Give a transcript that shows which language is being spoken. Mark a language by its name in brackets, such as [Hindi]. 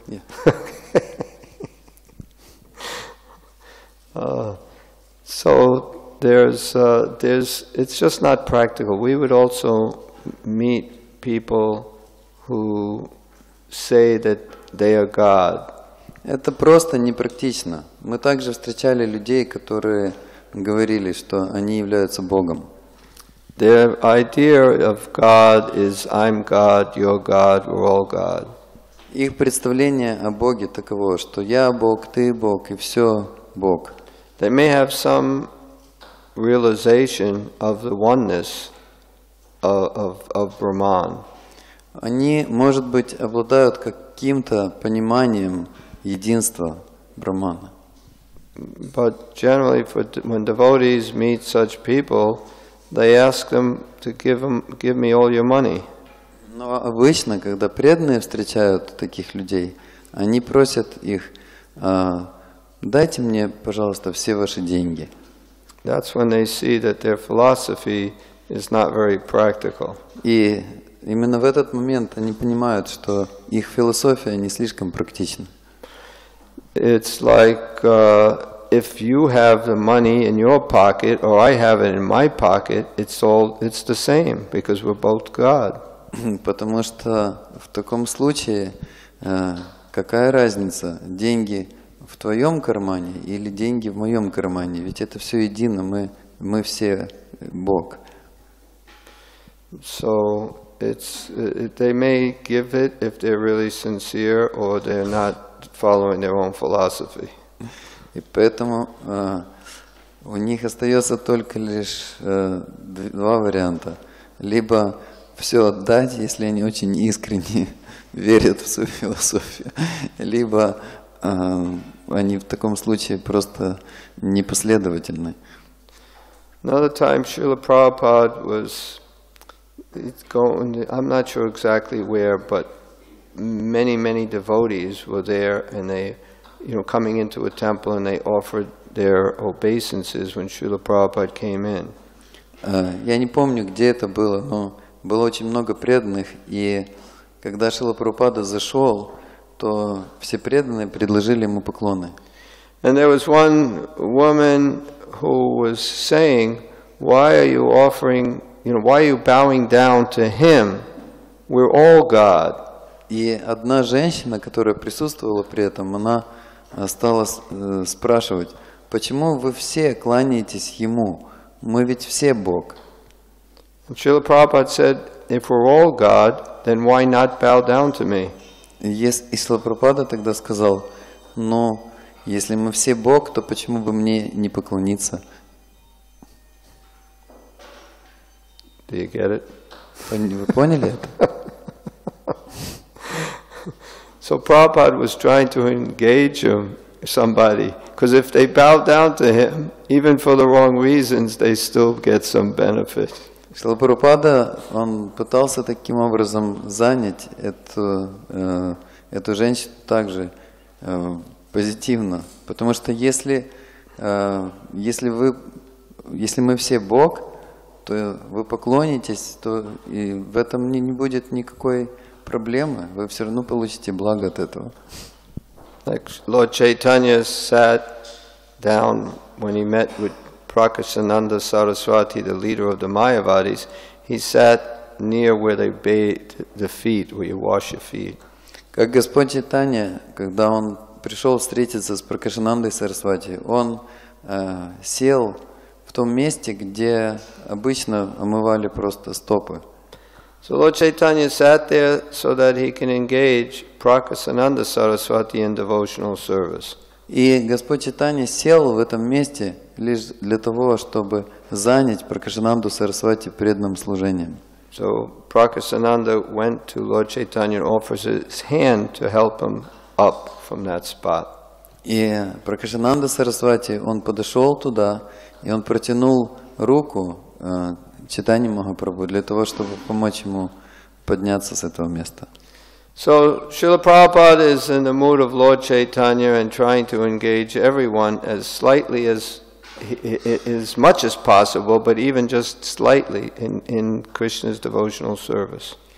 [English] Yeah. So there's it's just not practical. We would also meet people who say that they are God. [Russian] Это просто непрактично. Мы также встречали людей, которые говорили, что они являются Богом. [English] Their idea of God is I'm God, you're God, we're all God. [Russian] Их представление о Боге таково, что я Бог, ты Бог и все Бог. [English] They may have some realization of the oneness of Brahman. [Russian] Они, может быть, обладают каким-то пониманием единства Брахмана. [English] But generally, when devotees meet such people, they ask them to give me all your money. [Russian] Но обычно, когда преданные встречают таких людей, они просят их, дайте мне, пожалуйста, все ваши деньги. [English] That's when they see that their philosophy is not very practical. [Russian] И именно в этот момент они понимают, что их философия не слишком практична. [English] It's like if you have the money in your pocket or I have it in my pocket, it's the same because we're both God. [Russian] Потому что в таком случае какая разница, деньги в твоем кармане или деньги в моем кармане? Ведь это все едино, мы все Бог. [English] So it's they may give it if they're really sincere or they're not following their own philosophy. [Russian] И поэтому у них остается только лишь два варианта. Либо все отдать, если они очень искренне верят в свою философию, либо они в таком случае просто непоследовательны. [English] Another time Srila Prabhupada was going, I'm not sure exactly where, but many, many devotees were there and they, you know, coming into a temple and they offered their obeisances when Srila Prabhupada came in. [Russian] Я не помню, где это было, но было очень много преданных, и когда Шрила Прабхупада зашел, то все преданные предложили ему поклоны. [English] And there was one woman who was saying, why are you offering, you know, why are you bowing down to him? We're all God. [Russian] И одна женщина, которая присутствовала при этом, она стала спрашивать, почему вы все кланяетесь ему? Мы ведь все Бог. [English] And Srila Prabhupada said, if we're all God, then why not bow down to me? [Russian] И Шрила Прабхупада тогда сказал, ну, если мы все Бог, то почему бы мне не поклониться? [English] Do you get it? [Russian] Вы поняли это? [English] So Prabhupada was trying to engage him, somebody, because if they bow down to him, even for the wrong reasons, they still get some benefit. [Russian] Шрила Прабхупада, он пытался таким образом занять эту женщину также позитивно, потому что если мы все Бог, то вы поклонитесь, то и в этом не будет никакой проблемы, вы все равно получите благо от этого. [English] Lord Chaitanya sat down when he met with Prakasananda Saraswati, the leader of the Mayavadis. He sat near where they bathe the feet, where you wash your feet. [Russian] Как Господь Чайтанья, когда он пришел встретиться с Пракашинандой Сарасвати, он сел в том месте, где обычно омывали просто стопы. [English] So Lord Chaitanya sat there so that he can engage Prakasananda Saraswati in devotional service. [Russian] И Господь Чайтанья сел в этом месте лишь для того, чтобы занять Пракашинанду Сарасвати преданным служением. [English] So Prakasananda went to Lord Chaitanya and offers his hand to help him up from that spot. [Russian] И Пракашинанда Сарасвати, он подошел туда, и он протянул руку Чайтанья Махапрабху для того, чтобы помочь ему подняться с этого места. [English] So Srila Prabhupada is in the mood of Lord Chaitanya and trying to engage everyone as slightly as much as possible, but even just slightly in Krishna's devotional service.